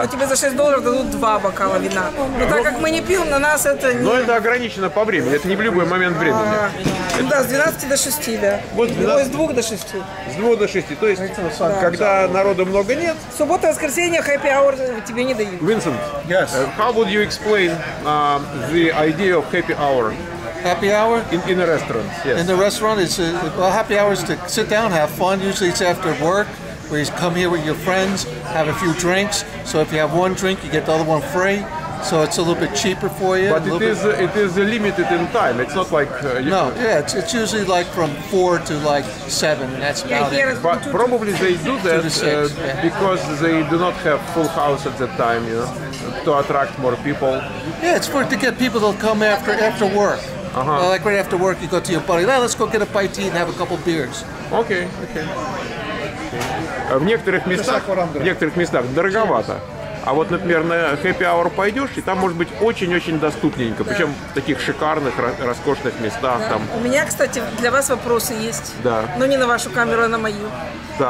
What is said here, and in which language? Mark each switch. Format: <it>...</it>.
<ru>А тебе за $6 дадут два бокала вина. Но так как мы не пьем, на нас это не… Но это ограничено по времени, это не в любой момент времени. Ну да, с 12 до 6, да. Вот, с 2 до 6. С 2 до 6, то есть, да. Когда народу много нет… Суббота, воскресенье, happy hour тебе не дают. Винсент,</ru> <en>yes. How would you explain the idea of happy hour? Happy hour? In a restaurant, yes. In the restaurant, it's happy hour is to sit down, have fun. Usually it's after work, where you come here with your friends, have a few drinks. So if you have one drink, you get the other one free. So it's a little bit cheaper for you. But it is limited in time. It's not like... It's usually like from 4 to like 7. That's about it. But probably they do that because they do not have full house at that time, you know, to attract more people. Yeah, it's for to get people to come after work. Uh-huh. Like right after work, you go to your buddy, let's go get a bite to eat and have a couple beers. Okay.</en> <ru>В некоторых местах дороговато. А вот, например, на happy hour пойдешь, и там может быть очень-очень доступненько. Да. Причем в таких шикарных, роскошных местах. Да. Там. У меня, кстати, для вас вопросы есть. Да. Но не на вашу камеру, а на мою. Да.</ru>